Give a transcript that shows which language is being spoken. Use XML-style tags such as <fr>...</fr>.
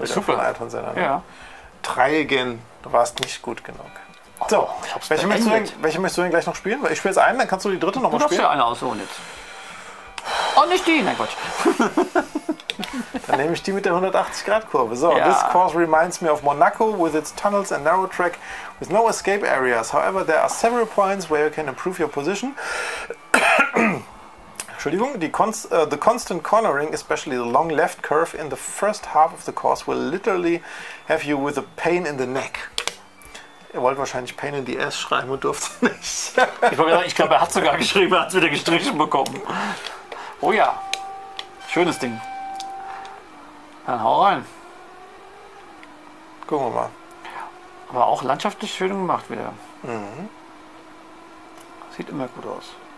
<de>Ist super. Ja. Dreigen, du warst nicht gut genug. Oh, so, welche möchtest du denn gleich noch spielen? Ich spiele jetzt einen, dann kannst du die dritte noch mal spielen. Du darfst ja eine aussuchen jetzt. Oh, nicht die, nein Quatsch. Dann nehme ich die mit der 180-Grad-Kurve. So, ja.</de> <en>This course reminds me of Monaco with its tunnels and narrow track with no escape areas. However, there are several points where you can improve your position. Entschuldigung, the constant cornering, especially the long left curve in the first half of the course, will literally have you with a pain in the neck.</en> <de>Er wollte wahrscheinlich</de> <en>pain in the ass</en> <de>schreiben und durfte nicht. Ich glaube, er hat sogar geschrieben, er hat es wieder gestrichen bekommen. Oh ja, schönes Ding. Dann hau rein. Gucken wir mal. Aber auch landschaftlich schön gemacht wieder. Mhm. Sieht immer gut aus.</de>